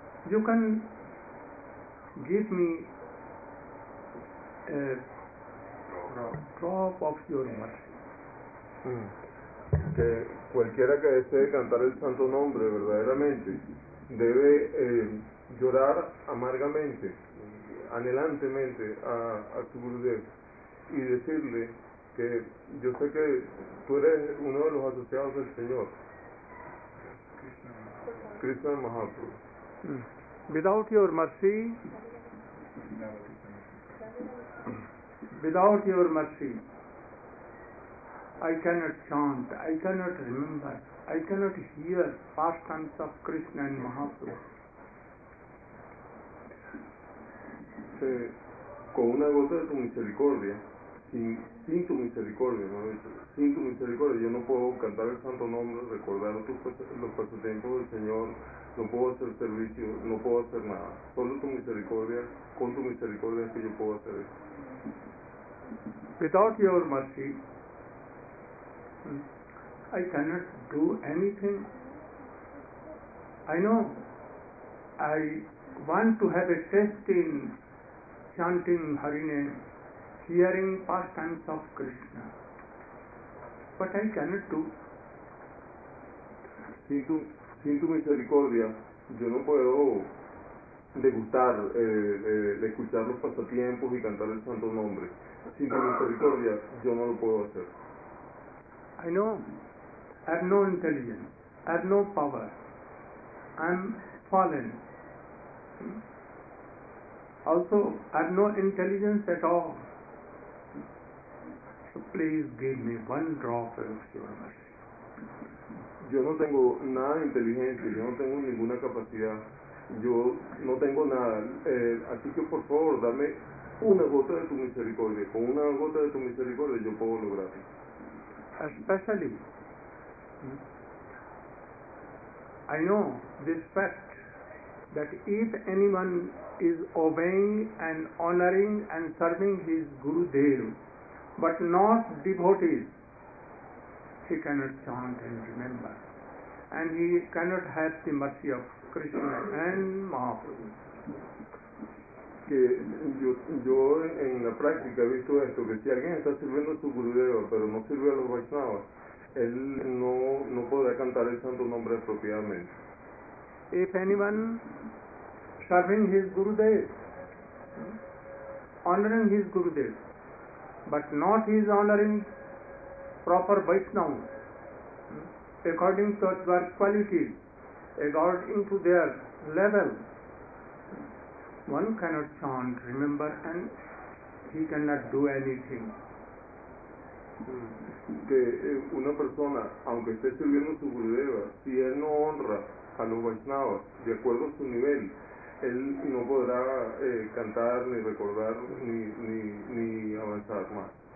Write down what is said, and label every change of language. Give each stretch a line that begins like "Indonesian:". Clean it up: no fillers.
English: You can give me a drop of your mercy.
Spanish: Que cualquiera que desee cantar el santo nombre verdaderamente debe llorar amargamente, anhelantemente a tu Gurudev y decirle que yo sé que tú eres uno de los asociados del Señor, Krishna Mahaprabhu.
English: Without your mercy, without your mercy, I cannot chant, I cannot remember, I cannot hear pastimes of Krishna and Mahaprabhu.
Spanish: Sí, con una gota de tu misericordia, sin tu misericordia, ¿no? Sin tu misericordia, yo no puedo cantar el santo nombre, recordar los pasatiempos del Señor, no puedo hacer servicio, no puedo hacer nada. Solo tu misericordia, con tu misericordia es que yo puedo hacer eso.
English: Without your mercy, I cannot do anything. I know I want to have a taste in chanting Harine, hearing pastimes of Krishna, but I cannot do.
Spanish: Sin tu misericordia, yo no puedo degustar, escuchar los pasatiempos y cantar el santo nombre. Sin tu misericordia, yo no lo puedo hacer.
English: I know, I have no intelligence, I have no power, I'm fallen. Also, I have no intelligence at all. So please give me one drop of your mercy.
Spanish: Yo no tengo nada de inteligencia, yo no tengo ninguna capacidad, yo no tengo nada. Así que por favor, dame una gota de tu misericordia. Con una gota de tu misericordia yo puedo lograrlo.
English: Especially, I know this fact that if anyone is obeying and honoring and serving his Gurudev, but not devotees, he cannot chant and remember, and he cannot have the mercy of Krishna and Mahaprabhu.
Spanish: Que yo en la práctica he visto esto, que si alguien está sirviendo a su Gurudeva pero no sirve a los Vaishnavas, él no podrá cantar el santo nombre apropiadamente.
English: If anyone serving his Gurudev, honoring his Gurudev, but not his honoring proper Vaishnava, according to their qualities, according to their level, one cannot chant, remember, and he cannot do anything.
Spanish: Que una persona, aunque esté sirviendo su Gurudeva, si él no honra a los Vaishnavas de acuerdo a su nivel, él no podrá cantar, ni recordar, ni avanzar más.